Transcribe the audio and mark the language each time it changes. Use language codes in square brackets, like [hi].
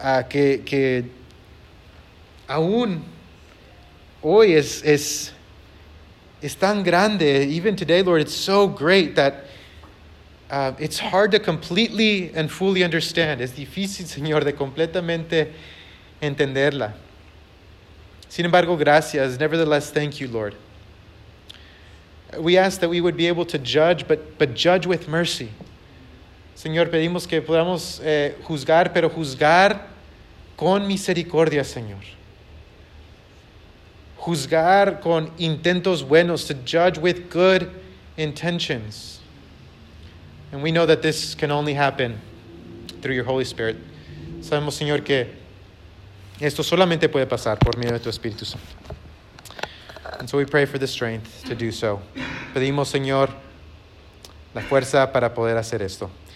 [es] Que aún hoy es tan grande, [en] even today, Lord, it's so great that it's hard to completely and fully understand. [es] Es difícil, Señor, de completamente entenderla. Sin embargo, gracias. [en] Nevertheless, thank you, Lord. We ask that we would be able to judge, but judge with mercy. [es] Señor, pedimos que podamos juzgar, pero juzgar con misericordia, Señor. Juzgar con intentos buenos, [en] to judge with good intentions. And we know that this can only happen through your Holy Spirit. [es] Sabemos, Señor, que esto solamente puede pasar por medio de tu Espíritu Santo. [en] And so we pray for the strength to do so. [es] Pedimos, Señor, la fuerza para poder hacer esto.